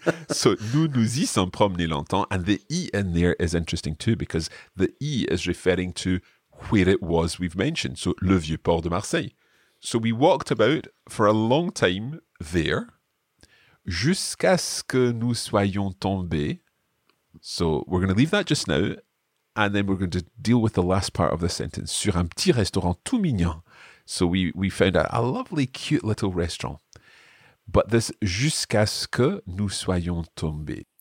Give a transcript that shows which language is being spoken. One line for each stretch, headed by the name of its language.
French: So, nous nous y sommes promenés longtemps.
English: And the E in there is interesting too, because the E is referring to where it was we've mentioned. So, le vieux port de Marseille. So, we walked about for a long time there, jusqu'à ce que nous soyons tombés. So, we're going to leave that just now. And then we're going to deal with the last part of the sentence. Sur un petit restaurant tout mignon. So we found a lovely, cute little restaurant.
French: But this, jusqu'à ce que nous soyons tombés.